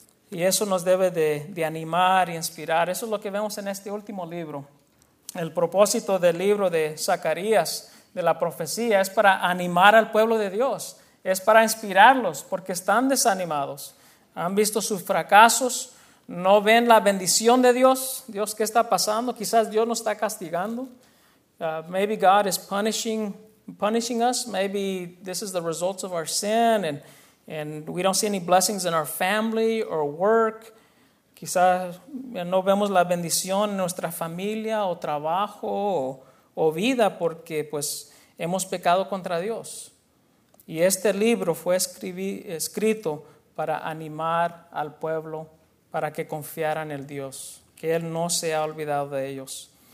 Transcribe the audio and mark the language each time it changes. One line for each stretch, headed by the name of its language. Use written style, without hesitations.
Spanish: Y eso nos debe de animar y inspirar. Eso es lo que vemos en este último libro. El propósito del libro de Zacarías, de la profecía, es para animar al pueblo de Dios. Es para inspirarlos, porque están desanimados. Han visto sus fracasos. No ven la bendición de Dios. Dios, ¿qué está pasando? Quizás Dios nos está castigando.
English: Maybe God is punishing us. Maybe this is the result of our sin, and we don't see any blessings in our family or work.
Spanish: Quizás no vemos la bendición en nuestra familia o trabajo o vida porque pues hemos pecado contra Dios. Y este libro fue escrito para animar al pueblo, para que confiaran en Dios, que Él no se ha olvidado de ellos.